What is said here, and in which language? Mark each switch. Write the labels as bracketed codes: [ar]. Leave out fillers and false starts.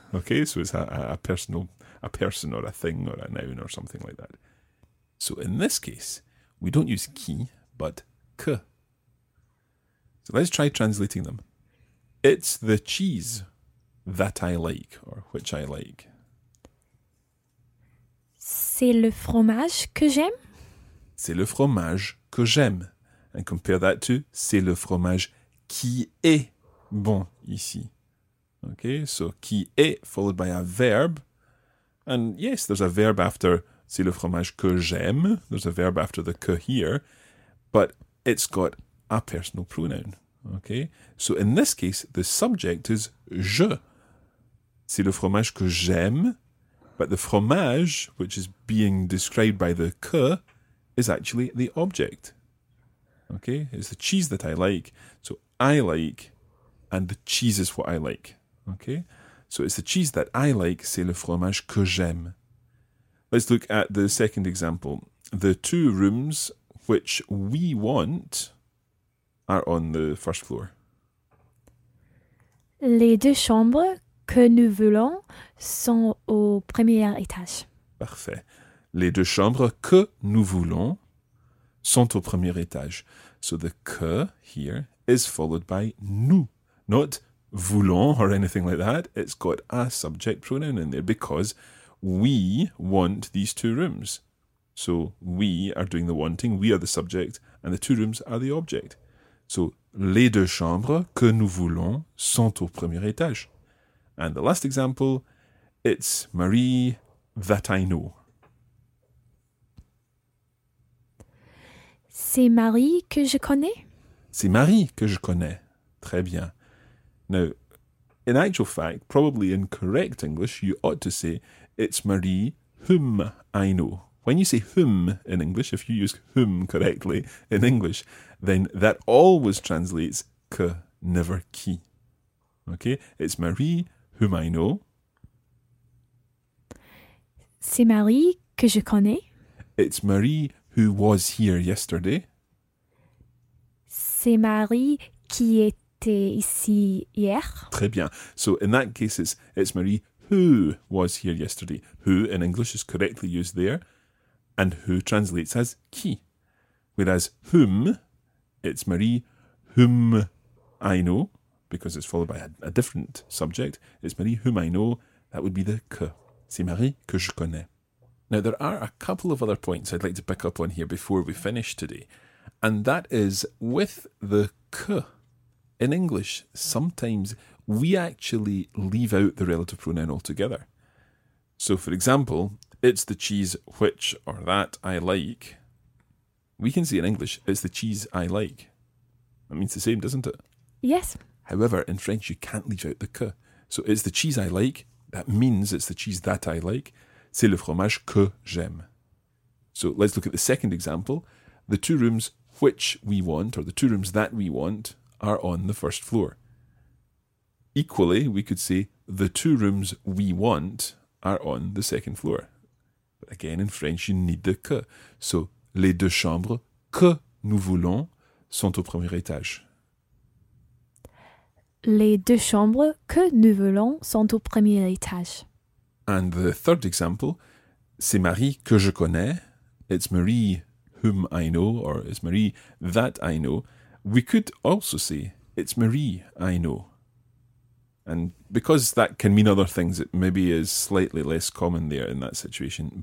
[en] Okay, so it's a person or a thing or a noun or something like that. So in this case, we don't use qui, but que. So let's try translating them. It's the cheese that I like, or which I like. [fr] C'est le fromage que j'aime. C'est le fromage que j'aime. [en] And compare that to [fr] c'est le fromage qui est bon ici. [en] Okay, so qui est followed by a verb. And yes, there's a verb after c'est le fromage que j'aime. There's a verb after the que here. But it's got a personal pronoun. Okay, so in this case, the subject is je. [fr] C'est le fromage que j'aime. [en] But the fromage, which is being described by the que, is actually the object. Okay? It's the cheese that I like. So I like, and the cheese is what I like. Okay? So it's the cheese that I like, [fr] c'est le fromage que j'aime. [en] Let's look at the second example. The two rooms which we want are on the first floor. [fr] Les deux chambres que nous voulons sont au premier étage. Parfait. Les deux chambres que nous voulons sont au premier étage. [en] So the que here is followed by nous. Not voulons or anything like that. It's got a subject pronoun in there because we want these two rooms. So we are doing the wanting. We are the subject and the two rooms are the object. [fr] So les deux chambres que nous voulons sont au premier étage. [en] And the last example, it's Marie that I know. [fr] C'est Marie que je connais. C'est Marie que je connais. Très bien. [en] Now, in actual fact, probably in correct English, you ought to say, it's Marie whom I know. When you say whom in English, if you use whom correctly in English, then that always translates que never qui. Okay, it's Marie whom I know. [fr] C'est Marie que je connais. [en] It's Marie who was here yesterday. [fr] C'est Marie qui était ici hier. Très bien. [en] So in that case, it's Marie who was here yesterday. Who in English is correctly used there, and who translates as qui. Whereas whom, it's Marie whom I know, because it's followed by a different subject. It's Marie whom I know. That would be the que. [fr] C'est Marie que je connais. [en] Now, there are a couple of other points I'd like to pick up on here before we finish today. And that is, with the que in English, sometimes we actually leave out the relative pronoun altogether. So, for example, it's the cheese which or that I like. We can say in English, it's the cheese I like. That means the same, doesn't it? Yes. However, in French, you can't leave out the que. So, it's the cheese I like. That means it's the cheese that I like. [fr] C'est le fromage que j'aime. [en] So let's look at the second example. The two rooms which we want, or the two rooms that we want, are on the first floor. Equally, we could say the two rooms we want are on the second floor. But again, in French, you need the que. [fr] So les deux chambres que nous voulons sont au premier étage. Les deux chambres que nous voulons sont au premier étage. [en] And the third example, [fr] c'est Marie que je connais. [en] It's Marie whom I know, or it's Marie that I know. We could also say, it's Marie I know. And because that can mean other things, it maybe is slightly less common there in that situation.